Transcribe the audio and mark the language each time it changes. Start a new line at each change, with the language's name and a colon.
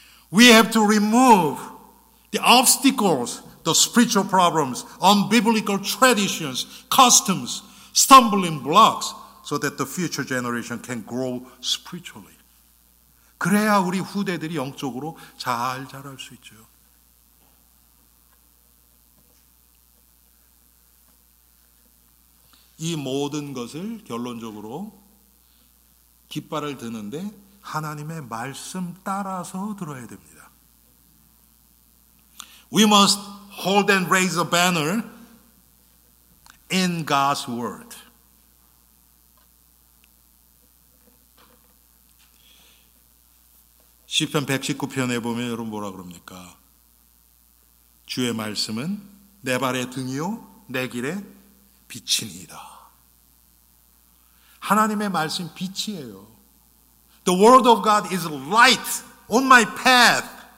English: We have to remove the obstacles, the spiritual problems, unbiblical traditions, customs, stumbling blocks, so that the future generation can grow spiritually.
Korean: 그래야 우리 후대들이 영적으로 잘 자랄 수 있죠. 이 모든 것을 결론적으로 깃발을 드는데 하나님의 말씀 따라서 들어야 됩니다.
English: We must hold and raise a banner in God's word.
Korean: 시편 119편에 보면 여러분 뭐라 그럽니까? 주의 말씀은 내 발의 등이요 내 길의 빛이니이다. 하나님의 말씀 빛이에요.
English: The word of God is light on my path.